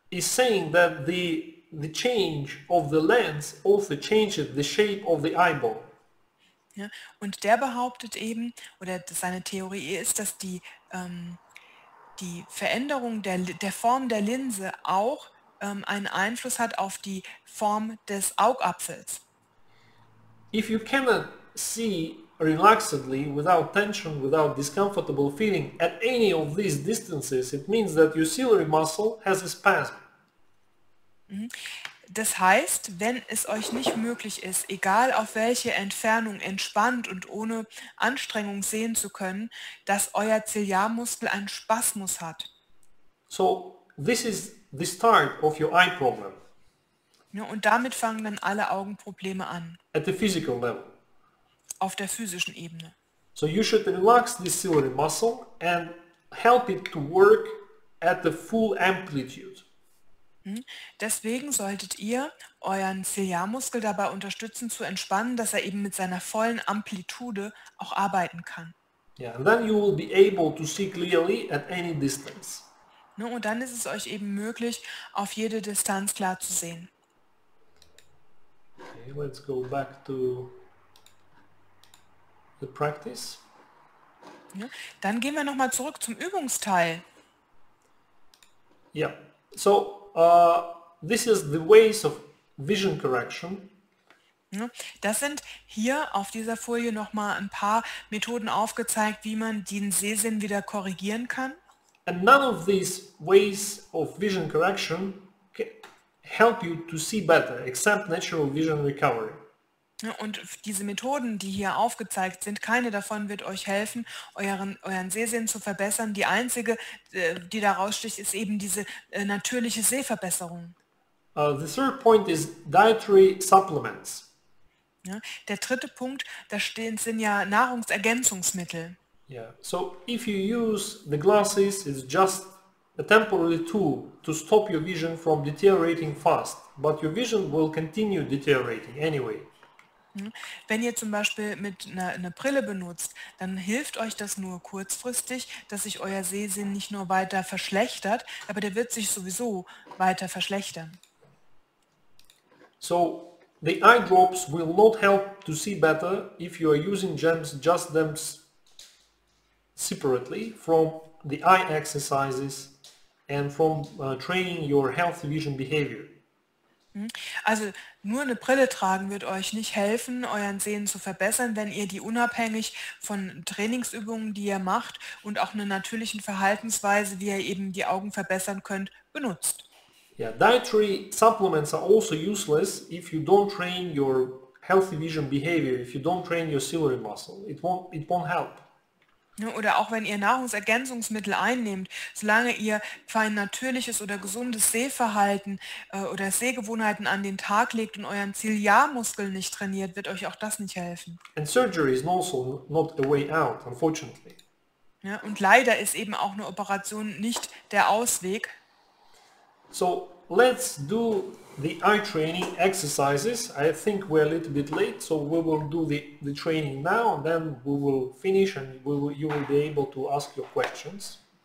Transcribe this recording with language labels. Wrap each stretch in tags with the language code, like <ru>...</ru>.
<en>He's saying that the change of the lens also changes the shape of the eyeball.</en> <de>Ja, und der behauptet eben, oder seine Theorie ist, dass die, die Veränderung der Form der Linse auch einen Einfluss hat auf die Form des Augapfels.</de> <en>If you cannot see relaxedly, without tension, without discomfortable feeling, at any of these distances, it means that your ciliary muscle has a spasm.</en> <de>Das heißt, wenn es euch nicht möglich ist, egal auf welche Entfernung entspannt und ohne Anstrengung sehen zu können, dass euer Ziliarmuskel einen Spasmus hat.</de> <en>So, this is the start of your eye problem.</en> <de>Ja, und damit fangen dann alle Augenprobleme an.</de> <en>At the physical level.</en> <de>Auf der physischen Ebene.</de> <en>So you should relax this ciliary muscle and help it to work at the full amplitude.</en> <de>Deswegen solltet ihr euren Ziliarmuskel dabei unterstützen, zu entspannen, dass er eben mit seiner vollen Amplitude auch arbeiten kann.</de> <en>Yeah, and then you will be able to see clearly at any distance.</en> <de>Ne? Und dann ist es euch eben möglich, auf jede Distanz klar zu sehen.</de> <en>Okay, let's go back to the practice.</en> <de>Ja. Dann gehen wir nochmal zurück zum Übungsteil.</de> <en>Ja, so this is the ways of vision correction.</en> <de>Das sind hier auf dieser Folie nochmal ein paar Methoden aufgezeigt, wie man den Sehsinn wieder korrigieren kann.</de> <en>And none of these ways of vision correction help you to see better, except natural vision recovery.</en> <de>Und diese Methoden, die hier aufgezeigt sind, keine davon wird euch helfen, euren Sehsinn zu verbessern. Die einzige, die da raussticht, ist eben diese natürliche Sehverbesserung.</de> <en>The third point is dietary supplements.</en> <de>Ja, der dritte Punkt, da stehen sind ja Nahrungsergänzungsmittel.</de> <en>Yeah. So if you use the glasses, it's just a temporary tool to stop your vision from deteriorating fast, but your vision will continue deteriorating anyway.</en> <de>Wenn ihr zum Beispiel mit einer Brille benutzt, dann hilft euch das nur kurzfristig, dass sich euer Sehsinn nicht nur weiter verschlechtert, aber der wird sich sowieso weiter verschlechtern.</de> <en>So the eye drops will not help to see better if you are using GEMS just them separately from the eye exercises and from training your healthy vision behavior.</en> <de>Also nur eine Brille tragen wird euch nicht helfen, euren Sehen zu verbessern, wenn ihr die unabhängig von Trainingsübungen, die ihr macht und auch einer natürlichen Verhaltensweise, wie ihr eben die Augen verbessern könnt, benutzt.</de> <en>Yeah, dietary supplements are also useless if you don't train your healthy vision behavior, if you don't train your ciliary muscle. It won't help.</en> <de>Oder auch wenn ihr Nahrungsergänzungsmittel einnehmt, solange ihr kein natürliches oder gesundes Sehverhalten oder Sehgewohnheiten an den Tag legt und euren Ziliarmuskeln nicht trainiert, wird euch auch das nicht helfen.</de> <en>And surgery is also not the way out, unfortunately.</en> <de>Ja, und leider ist eben auch eine Operation nicht der Ausweg.</de> <en>So, let's do the eye training exercises. I think we're a little bit late, so we will do the training now and then we will finish and you will be able to ask your questions.</en>